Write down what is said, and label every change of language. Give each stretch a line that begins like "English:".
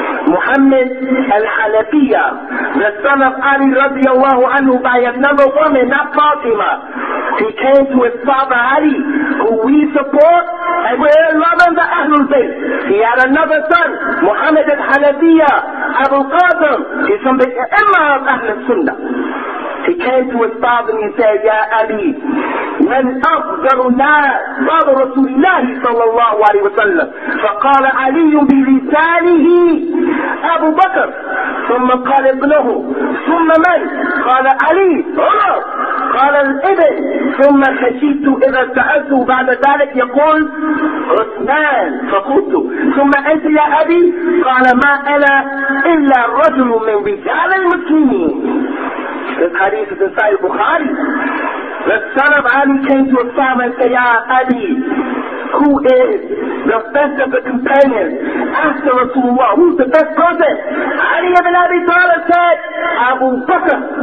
English: Muhammad al-Hanafiyya, the son of Ali radiallahu anhu, by another woman, not Fatima. He came to his father Ali, who we support, and we're loving the Ahlul Bayt. He had another son, Muhammad al-Hanafiyya, Abu Qasim. He's from the Imam of Ahlul Sunnah. He came to his father and he said, Ya Ali,
Arabic: من أفضل الناس بعد رسول الله صلى الله عليه وسلم فقال علي بلسانه أبو بكر ثم قال ابنه ثم من قال علي عمر قال الابن ثم خشيت إذا سألته بعد ذلك يقول عثمان فقلت ثم أنت يا أبي قال ما أنا إلا رجل من رجال المسلمين.
English: This hadith is inside Bukhari. The son of Ali came to his father and said, Ya Ali, who is the best of the companions after Rasulullah? Who's the best person? Ali ibn Abi Talib said, Abu Bakr.